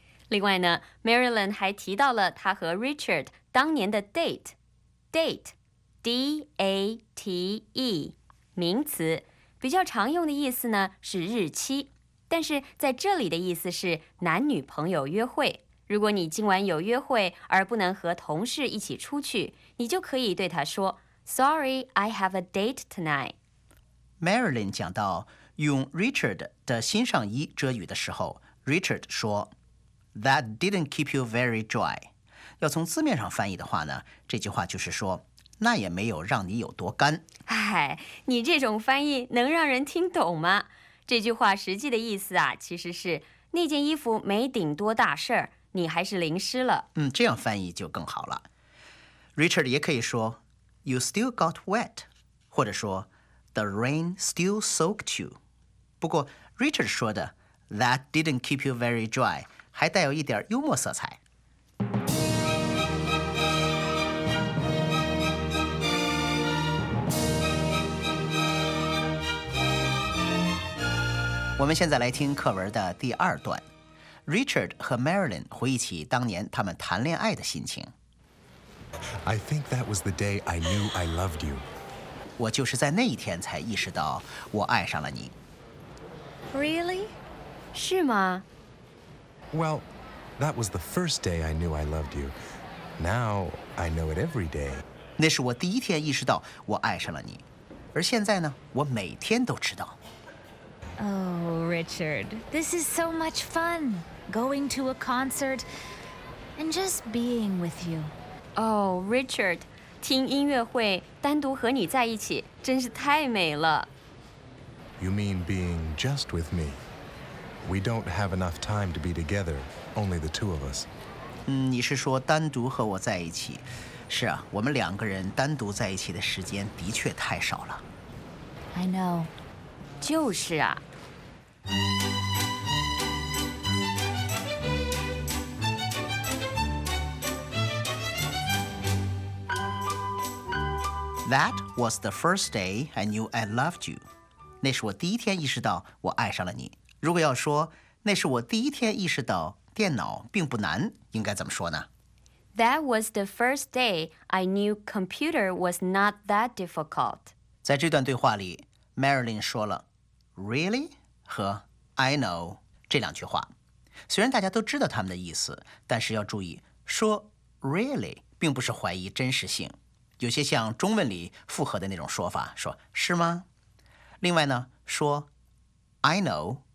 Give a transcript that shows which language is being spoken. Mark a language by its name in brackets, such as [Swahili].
[Chinese] 另外呢 ，Marilyn 还提到了他和 Richard 当年的 date, D-A-T-E, 名词，比较常用的意思呢是日期。但是在这里的意思是男女朋友约会。如果你今晚有约会而不能和同事一起出去，你就可以对他说 [English] Sorry, I have a date tonight. [Chinese] Marilyn 讲到用 Richard 的新上衣遮雨的时候， Richard 说 [English] That didn't keep you very dry. [Chinese] 要从字面上翻译的话呢，这句话就是说那也没有让你有多干。哎，你这种翻译能让人听懂吗？这句话实际的意思啊，其实是那件衣服没顶多大事儿，你还是淋湿了。这样翻译就更好了。 Richard 也可以说 ， [English] You still got wet， [Chinese] 或者说 ， [English] The rain still soaked you。 [Chinese] 不过 Richard 说的 [English] That didn't keep you very dry， [Chinese] 还带有一点幽默色彩。我们现在来听课文的第二段。Richard 和 Marilyn 回忆起当年他们谈恋爱的心情。 [English] I think that was the day I knew I loved you. [Chinese] 我就是在那一天才意识到我爱上了你。 [English] Really? [Chinese] 是吗？ [English] Well, that was the first day I knew I loved you. Now I know it every day. [Chinese] 那是我第一天意识到我爱上了你。而现在呢，我每天都知道。 [English] Oh, Richard, this is so much fun, going to a concert and just being with you. [Chinese] Oh, Richard, 听音乐会单独和你在一起真是太美了。 [English] You mean being just with me? We don't have enough time to be together, only the two of us. [Chinese] 你是说单独和我在一起。是啊，我们两个人单独在一起的时间的确太少了。 [English] I know. [Chinese] 就是啊。 [English] That was the first day I knew I loved you. [Chinese] 那是我第一天意识到我爱上了你。如果要说那是我第一天意识到电脑并不难，应该怎么说呢？ [English] That was the first day I knew computer was not that difficult. [Chinese] 在这段对话里 ，Marilyn 说了。 [English] Really? [Chinese] 和 [English] I know [Chinese] 这两句话，虽然大家都知道他们的意思，但是要注意说 really 并不是怀疑真实性，有些像中文里复合的那种说法，说是吗？另外呢，说 I know